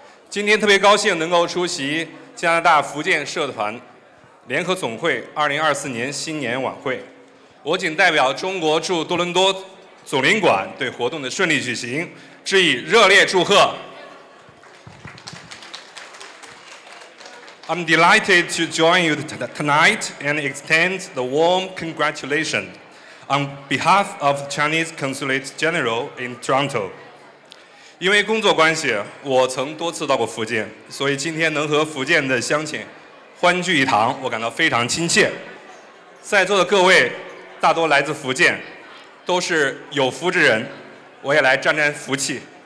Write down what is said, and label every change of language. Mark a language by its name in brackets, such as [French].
[Chinese] 今天特别高兴能够出席加拿大福建社团联合总会2024年新年晚会。我谨代表中国驻多伦多总领馆对活动的顺利举行致以热烈祝贺。 [English] I'm delighted to join you tonight and extend the warm congratulations on behalf of the Chinese Consulate General in Toronto. [Chinese] 因为工作关系，我曾多次到过福建，所以今天能和福建的乡亲欢聚一堂，我感到非常亲切。在座的各位大多来自福建，都是有福之人，我也来沾沾福气。